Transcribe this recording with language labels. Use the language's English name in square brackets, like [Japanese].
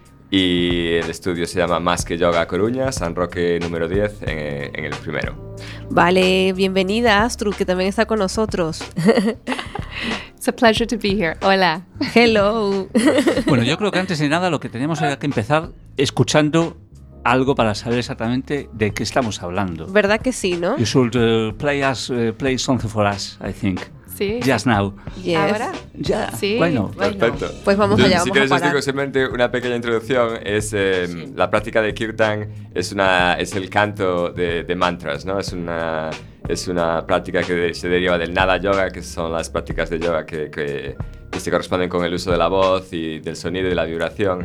[Spanish] Y el estudio se llama Más que Yoga Coruña, San Roque número 10, en el primero. Vale, bienvenida Astrud, que también está con nosotros. [English] It's a pleasure to be here. [Spanish] Hola. [English] Hello. [Spanish] Bueno, yo creo que antes de nada lo que tenemos que empezar escuchando algo para saber exactamente de qué estamos hablando. ¿Verdad que sí, no? [English] You should play something for us, I think. [Spanish] Sí. [English] Just now. Yes. [Spanish] ¿Ahora? Ya. Sí. Bueno. Perfecto. Pues vamos allá. Si quieres, os digo simplemente una pequeña introducción. La práctica de Kirtan es el canto de mantras, ¿no? Es una práctica que se deriva del Nada Yoga, que son las prácticas de yoga que se corresponden con el uso de la voz y del sonido y la vibración.